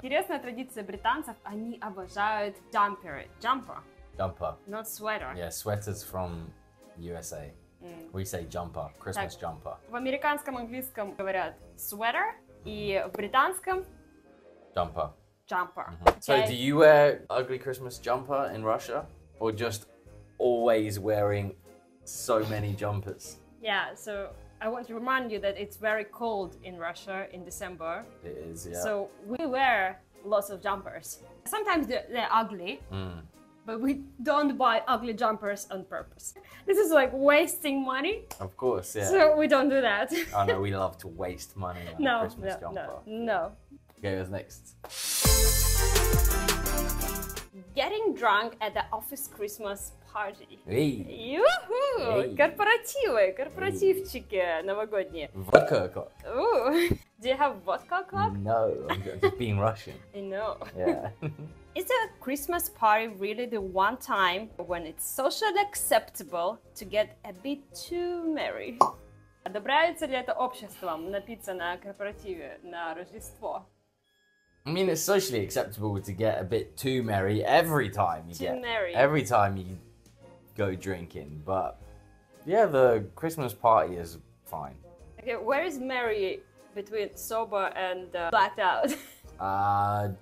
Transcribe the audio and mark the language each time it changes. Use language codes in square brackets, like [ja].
[ru] Интересная традиция британцев, они обожают jumper. [en] Jumper. Jumper. Not sweater. Yeah, sweaters from USA. Mm. We say jumper, Christmas jumper. [ru] В американском английском говорят sweater, и в британском... [en] Jumper. Jumper. Mm-hmm. Okay. So do you wear ugly Christmas jumper in Russia? Or just always wearing so many jumpers? Yeah, so... I want to remind you that it's very cold in Russia in December. It is, yeah. So we wear lots of jumpers. Sometimes they're ugly, but we don't buy ugly jumpers on purpose. This is like wasting money. Of course, yeah. So we don't do that. Oh no, we love to waste money on no, a Christmas no, jumper. No, no, no. Okay, what's next? Get getting drunk at the office Christmas party. Hey. Юху! Hey. [ru] Корпоративы, корпоративчики новогодние. [en] Vodka o'clock. Do you have vodka o'clock? No, I'm just being Russian. I know. Yeah. Is a Christmas party really the one time when it's socially acceptable to get a bit too merry? [ru] Одобряется ли это обществом напиться на корпоративе на Рождество? [en] I mean, it's socially acceptable to get a bit too merry every time you every time you go drinking, but yeah, the Christmas party is fine. Okay, where is merry between sober and blacked out?